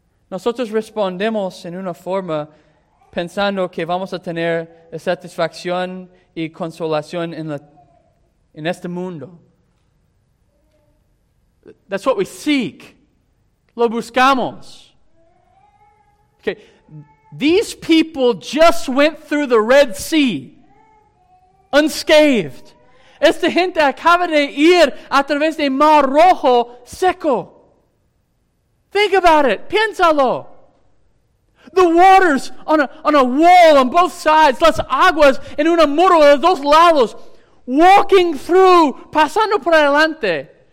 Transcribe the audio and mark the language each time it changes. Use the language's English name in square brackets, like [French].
[Spanish] Nosotros respondemos en una forma pensando que vamos a tener satisfacción y consolación en este mundo. [English] That's what we seek. [Spanish] Lo buscamos. [English] Okay. These people just went through the Red Sea unscathed. [Spanish] Esta gente acaba de ir a través del Mar Rojo seco. [English] Think about it. [Spanish] Piénsalo. [English] The waters on a wall on both sides. [Spanish] Las aguas en una muro de dos lados. [English] Walking through, [Spanish] pasando por adelante.